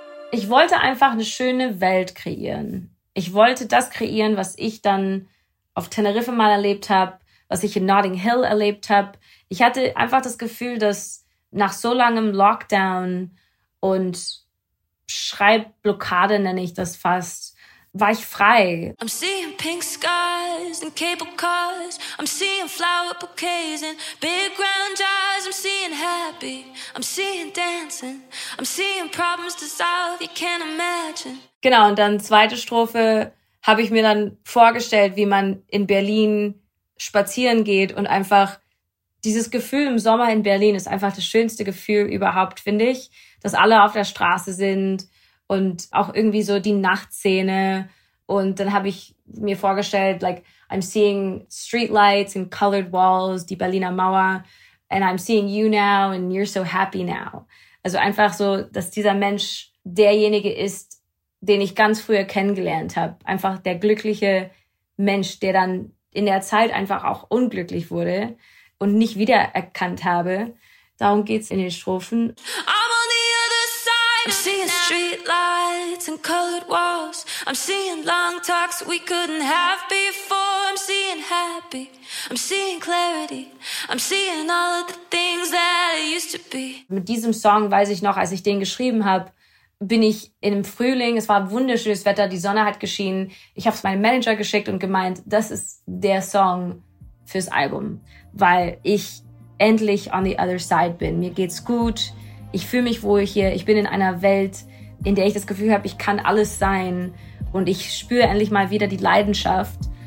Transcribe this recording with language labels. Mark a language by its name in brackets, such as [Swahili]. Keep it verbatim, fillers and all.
[German] Ich wollte einfach eine schöne Welt kreieren. Ich wollte das kreieren, was ich dann auf Teneriffa mal erlebt habe, was ich in Notting Hill erlebt habe. Ich hatte einfach das Gefühl, dass nach so langem Lockdown und Schreibblockade, nenne ich das fast, war ich frei. [English] I'm seeing pink skies and cable cars. I'm seeing flower bouquets and big round eyes. I'm seeing happy. I'm seeing dancing. I'm seeing problems to solve you can't imagine. [German] Genau, und dann zweite Strophe habe ich mir dann vorgestellt, wie man in Berlin spazieren geht und einfach dieses Gefühl im Sommer in Berlin ist einfach das schönste Gefühl überhaupt, finde ich, dass alle auf der Straße sind und auch irgendwie so die Nachtszene. Und dann habe ich mir vorgestellt, [English] like, I'm seeing streetlights and colored walls, [German] die Berliner Mauer, [English] and I'm seeing you now and you're so happy now. [German] Also einfach so, dass dieser Mensch derjenige ist, den ich ganz früher kennengelernt habe. Einfach der glückliche Mensch, der dann in der Zeit einfach auch unglücklich wurde und nicht wiedererkannt habe. Darum geht's in den Strophen. [English] I'm on the other side. I'm seeing street lights and colored walls. I'm seeing long talks we couldn't have before. I'm seeing being happy. I'm seeing clarity. I'm seeing all of the things that I used to be. [German] Mit diesem Song weiß ich noch, als ich den geschrieben habe, bin ich im Frühling, es war wunderschönes Wetter, die Sonne hat geschienen. Ich habe es meinem Manager geschickt und gemeint, das ist der Song fürs Album, weil ich endlich [English] on the other side [German] bin. Mir geht's gut, ich fühle mich wohl hier, ich bin in einer Welt, in der ich das Gefühl habe, ich kann alles sein und ich spüre endlich mal wieder die Leidenschaft.